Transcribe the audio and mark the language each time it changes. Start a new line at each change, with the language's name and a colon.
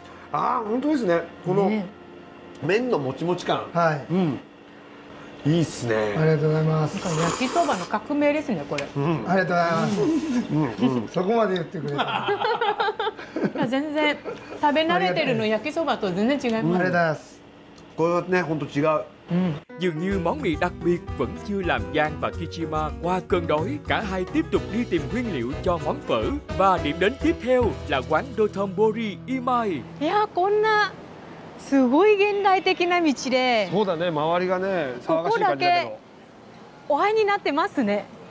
Japanese: ああ本当ですねこの麺のもちもち感、はい、うん、いいっすねありがとうございます焼きそばの革命ですねこれ、うん、ありがとうございます、うんうん、そこまで言ってくれた全然食べ慣れてるの焼きそばと全然違います、ありがとうございますこれはね本当違う、うん、
Vietnamese: dường như món mì đặc biệt vẫn chưa làm Giang và Kichima qua cơn đói cả hai tiếp tục đi tìm nguyên liệu cho món phở và điểm đến tiếp theo là quán Dotonbori Imai.
Japanese: Yeah, こんなすごい現代的な道で。そうだね、周りがね、騒がしい感じだけど。ここだけお入りになってますね。